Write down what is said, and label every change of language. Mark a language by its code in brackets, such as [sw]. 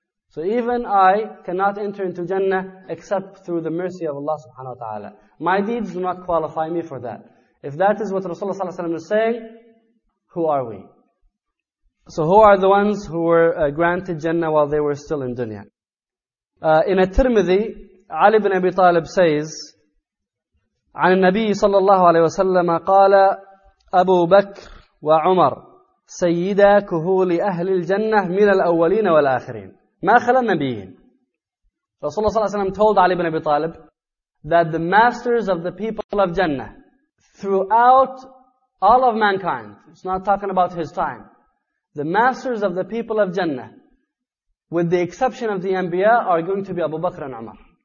[en] So even I cannot enter into Jannah except through the mercy of Allah subhanahu wa ta'ala. My deeds do not qualify me for that. If that is what Rasulullah sallallahu alayhi wa sallam is saying, who are we? So who are the ones who were granted Jannah while they were still in dunya? In At-Tirmidhi, Ali ibn Abi Talib says, [ar] عن النبي صلى الله عليه وسلم قال أبو بكر وعمر سيدا كهول أهل الجنة من الأولين والآخرين. ما خلى النبيين [en] Rasulullah sallallahu alayhi wa sallam told Ali ibn Abi Talib that the masters of the people of Jannah throughout all of mankind, it's not talking about his time, the masters of the people of Jannah, with the exception of the Anbiya, are going to be Abu Bakr and Umar.